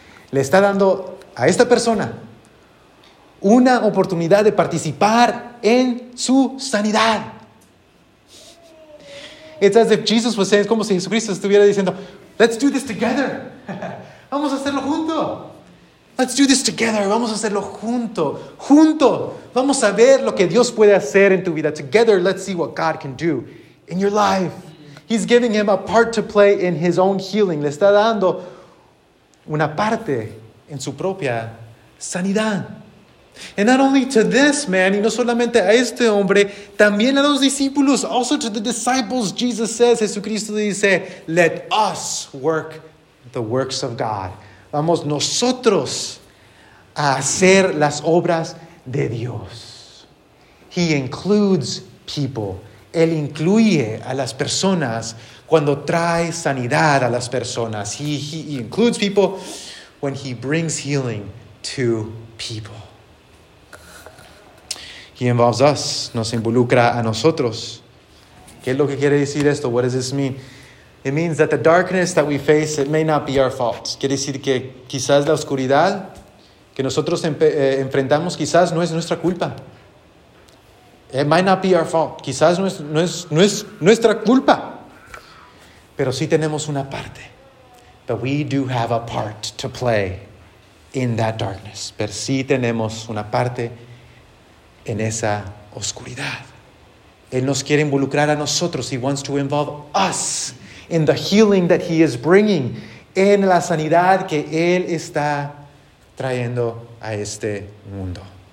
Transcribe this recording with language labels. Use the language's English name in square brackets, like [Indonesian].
[Spanish] Le está dando a esta persona una oportunidad de participar en su sanidad. [English] It's as if Jesus was saying, [Spanish] es como si Jesucristo estuviera diciendo, [English] let's do this together. [Spanish] Vamos a hacerlo junto. [English] Let's do this together. [Spanish] Vamos a hacerlo junto. Junto. Vamos a ver lo que Dios puede hacer en tu vida. [English] Together, let's see what God can do in your life. He's giving him a part to play in his own healing. [Spanish] Le está dando una parte en su propia sanidad. [English] And not only to this man, [Spanish] y no solamente a este hombre, también a los discípulos, [English] also to the disciples, Jesus says, [Spanish] Jesucristo dice, [English] let us work the works of God. [Spanish] Vamos nosotros a hacer las obras de Dios. [English] He includes people. [Spanish] Él incluye a las personas cuando trae sanidad a las personas. [English] He includes people when he brings healing to people. He involves us, [Spanish] nos involucra a nosotros. ¿Qué es lo que quiere decir esto? [English] What does this mean? It means that the darkness that we face, it may not be our fault. [Spanish] Quiere decir que quizás la oscuridad que nosotros enfrentamos quizás no es nuestra culpa. [English] It might not be our fault. [Spanish] Quizás no es nuestra culpa. Pero sí tenemos una parte. [English] But we do have a part to play in that darkness. [Spanish] Pero sí tenemos una parte en esa oscuridad. Él nos quiere involucrar a nosotros. [English] He wants to involve us in the healing that he is bringing, [Spanish] en la sanidad que él está trayendo a este mundo.